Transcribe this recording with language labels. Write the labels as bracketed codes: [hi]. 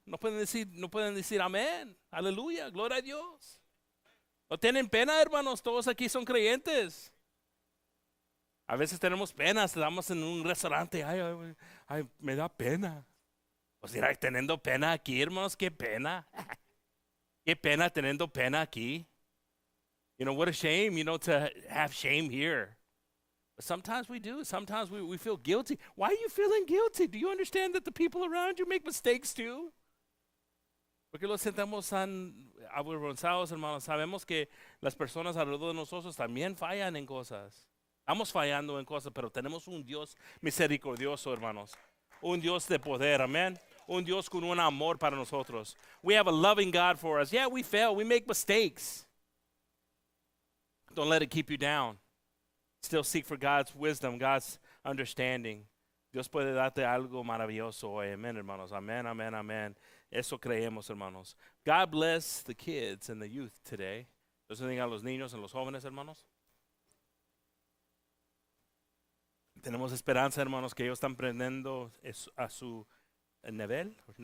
[es] No pueden decir amén, aleluya, gloria a Dios. No tienen pena, hermanos, todos aquí son creyentes. A veces tenemos penas, estamos en un restaurante, ay, ay, ay, me da pena. Pues mira, teniendo pena aquí, hermanos, qué pena. Qué pena teniendo pena aquí. [en] You know, what a shame, you know, to have shame here. But sometimes we do. Sometimes we feel guilty. Why are you feeling guilty? Do you understand that the people around you make mistakes too? [es] Porque los sentamos tan avergonzados, hermanos. Sabemos que las personas alrededor de nosotros también fallan en cosas. Estamos fallando en cosas, pero tenemos un Dios misericordioso, hermanos. Un Dios de poder, amén. Un Dios con un amor para nosotros. [en] We have a loving God for us. Yeah, we fail. We make mistakes. Don't let it keep you down. Still seek for God's wisdom, God's understanding. [es] Dios puede darte algo maravilloso hoy. Amén, hermanos. Amén, amén, amén. Eso creemos, hermanos. [en] God bless the kids and the youth today. [es] Dios bendiga a los niños y a los jóvenes, hermanos. Tenemos esperanza, hermanos, que ellos están aprendiendo a su nivel.